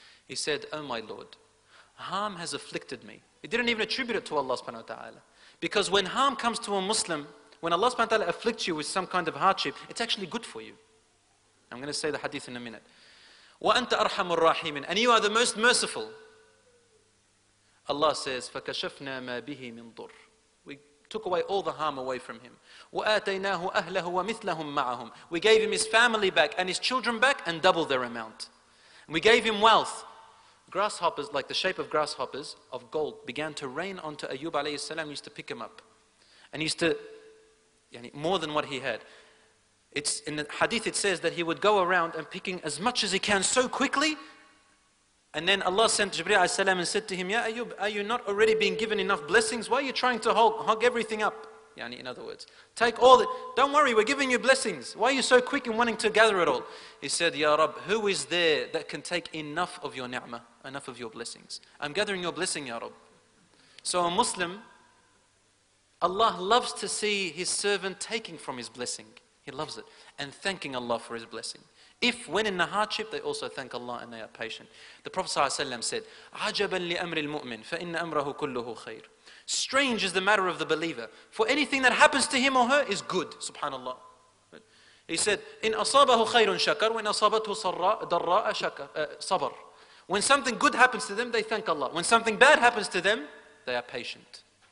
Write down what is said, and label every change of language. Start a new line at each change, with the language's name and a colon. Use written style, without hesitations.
English: He said, oh my Lord, harm has afflicted me. He didn't even attribute it to Allah subhanahu wa ta'ala. Because when harm comes to a Muslim, when Allah subhanahu wa ta'ala afflicts you with some kind of hardship, it's actually good for you. I'm going to say the hadith in a minute.
Arabic: وَأَنْتَ أَرْحَمُ الرَّاحِمِينَ.
English: And you are the most merciful. Allah says,
Arabic: فَكَشَفْنَا مَا بِهِ مِنْ ضُرٍّ.
English: We took away all the harm away from him.
Arabic: وَآتَيْنَاهُ أَهْلَهُ وَمِثْلَهُمْ مَعَهُمْ.
English: We gave him his family back and his children back and doubled their amount. And we gave him wealth. Grasshoppers, like the shape of grasshoppers of gold, began to rain onto Ayyub alayhi salam. He used to pick him up. And he used to, yani, more than what he had. It's in the hadith, it says that he would go around and picking as much as he can so quickly. And then Allah sent Jibreel alayhi salam and said to him, Ya Ayyub, are you not already being given enough blessings? Why are you trying to hog everything up? Yani, in other words, take all the, don't worry, we're giving you blessings. Why are you so quick in wanting to gather it all? He said, Ya Rab, who is there that can take enough of your ni'mah, enough of your blessings? I'm gathering your blessing, Ya Rab. So a Muslim, Allah loves to see his servant taking from his blessing. He loves it. And thanking Allah for his blessing. If when in the hardship, they also thank Allah and they are patient. The Prophet ﷺ said,
Arabic: عَجَبًا لِأَمْرِ الْمُؤْمِنِ فَإِنَّ أَمْرَهُ كُلُّهُ خَيْرٌ.
English: Strange is the matter of the believer. For anything that happens to him or her is good. Subhanallah. He said,
Arabic: إِنْ أَصَابَهُ خَيْرٌ شَكَرٌ وَإِنْ أَصَابَتْهُ ضَرَّاءَ صَبَرٌ.
English: When something good happens to them, they thank Allah. When something bad happens to them, they are patient.